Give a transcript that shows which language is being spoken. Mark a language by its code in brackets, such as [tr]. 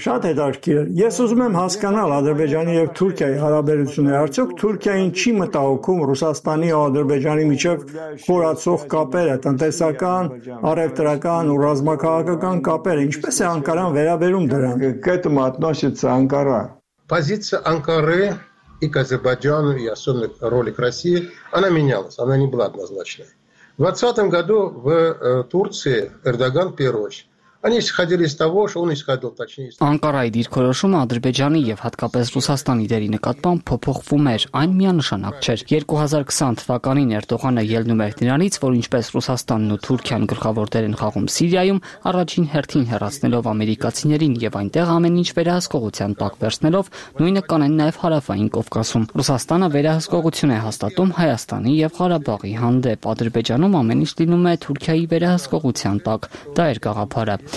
[hy] Շատ հետաքրքիր։ Ես ուզում եմ հասկանալ Ադրբեջանի եւ Թուրքիայի հարաբերությունները, արդյոք Թուրքիան չի մտահոգում Ռուսաստանի ու Ադրբեջանի միջև խորացող կապերը, տնտեսական, առևտրական ու ռազմաքաղաքական կապերը, ինչպես է Անկարան վերաբերում դրան։ Կետը մատնոշիցա Անկարա։ [ru] Позиция Анкары и Азербайджана и особенно роли России, она менялась, она не была однозначной. В 20-м году в Турции Эрдоган первый [hy] Անկարայի դիրքորոշումը Ադրբեջանի եւ հատկապես Ռուսաստանի դերի նկատմամբ փոփոխվում էր, այն միանշանակ չէր։ 2020 թվականին Էրդողանը ելնում էր դրանից, որ ինչպես Ռուսաստանն ու Թուրքիան գլխավոր դեր են խաղում Սիրիայում, առաջին հերթին հեռացնելով ամերիկացիներին եւ այնտեղ ամեն ինչ վերահսկողության տակ վերցնելով, նույնը կանեն նաեւ Հարավային Կովկասում։ Ռուսաստանը վերահսկողություն է հաստատում Հայաստանի եւ Ղարաբաղի հանդեպ, Ադրբեջանում ամեն ինչ լինում է Թուրքիայի վերահսկողության տակ։ Դա էր գաղափարը։